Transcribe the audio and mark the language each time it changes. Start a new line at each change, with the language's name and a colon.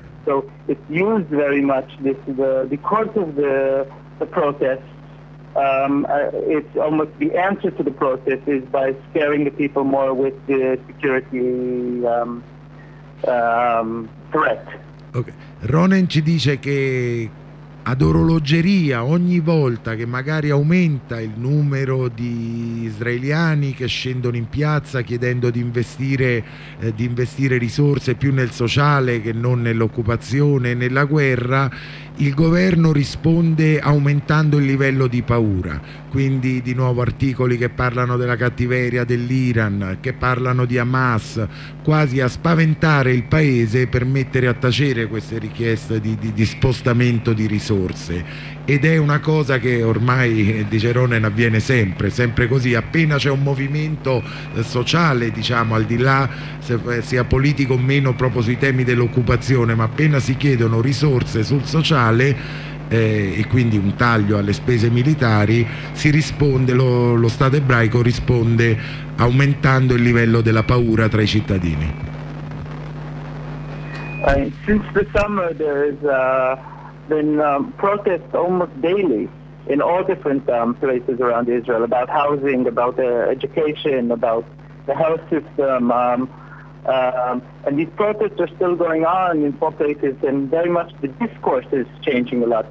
English: So it's used very much because of the protests. It's almost the answer to the protest is by scaring the people more with the security threat. Okay.
Italian: Ronen ci dice che ad orologeria ogni volta che magari aumenta il numero di israeliani che scendono in piazza chiedendo di investire risorse più nel sociale che non nell'occupazione e nella guerra, il governo risponde aumentando il livello di paura. Quindi di nuovo articoli che parlano della cattiveria dell'Iran, che parlano di Hamas, quasi a spaventare il paese per mettere a tacere queste richieste di spostamento di risorse. Ed è una cosa che ormai, dice Ronen, avviene sempre così. Appena c'è un movimento sociale, diciamo, al di là se sia politico o meno proprio sui temi dell'occupazione, ma appena si chiedono risorse sul sociale, e quindi un taglio alle spese militari, si risponde, lo Stato ebraico risponde aumentando il livello della paura tra i cittadini.
English: Since the summer there has been protests almost daily in all different places around Israel about housing, about education, about the health system, and these protests are still going on in some places, and very much the discourse is changing a lot.